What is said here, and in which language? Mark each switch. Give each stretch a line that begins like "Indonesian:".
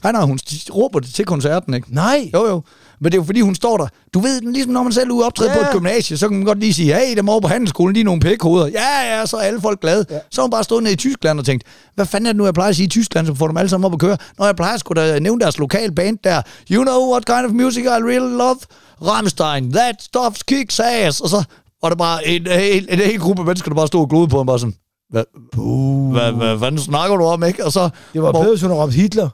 Danish: Nej, hun råber det til koncerten, ikke? Nej. Jo. Men det er jo fordi, hun står der. Du ved, ligesom når man selv er ude optræde på et gymnasie, så kan man godt lige sige, hey, dem over på handelsskolen, lige nogle pækhoveder. Ja, ja, så er alle folk glade. Ja. Så hun bare stået ned i Tyskland og tænkt, hvad fanden er det nu, jeg plejer at sige i Tyskland, så får dem alle sammen op at køre? Når jeg plejer at skulle da nævne deres lokale band der,
English: you know what kind of music I really love? Rammstein, that stuff kicks ass.
Danish: Og så var der bare en hel gruppe mennesker, der bare stod og glodede på ham, bare sådan, hvad snakker du om, ikke? Og så, det var bedre, hvis hun havde råbt Hitler.